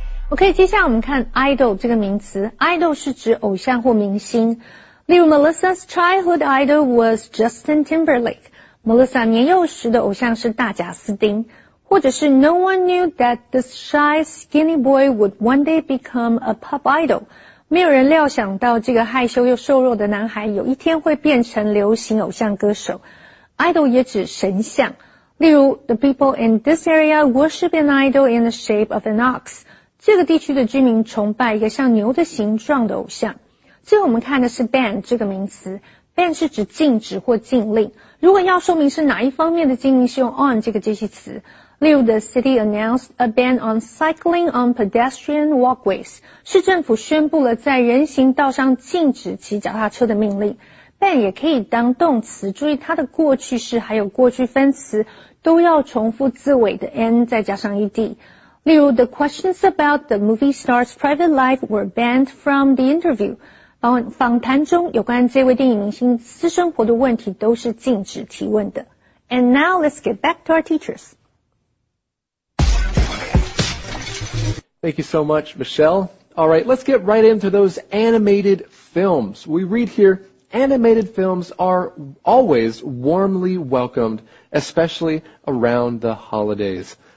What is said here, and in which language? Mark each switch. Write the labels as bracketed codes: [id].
[zh] OK， 接下来我们看 idol 这个名词。idol 是指偶像或明星。例如 [en] Melissa's childhood idol was Justin Timberlake。 [zh] Melissa 年幼时的偶像是大贾斯丁。或者是 [en] No one knew that this shy skinny boy would one day become a pop idol。 [zh] 没有人料想到这个害羞又瘦弱的男孩有一天会变成流行偶像歌手。 idol 也指神像。例如 [en] The people in this area worship an idol in the shape of an ox。 [zh] 这个地区的居民崇拜一个像牛的形状的偶像。最后我们看的是 ban 这个名词。ban 是指禁止或禁令。如果要说明是哪一方面的禁令，是用 on 这个介系词。例如 [en] ,the city announced a ban on cycling on pedestrian walkways. [zh] 市政府宣布了在人行道上禁止骑脚踏车的命令。 ban 也可以当动词，注意它的过去式还有过去分词都要重复字尾的 n 再加上 ed。例如 [en] ,the questions about the movie star's private life were banned from the interview. [zh] 访谈中有关这位电影明星私生活的问题都是禁止提问的。 [en] And now let's get back to our teachers. Thank you so much, Michelle. All right, let's get right into those animated films. We read here, animated films are always warmly welcomed, especially around the holidays.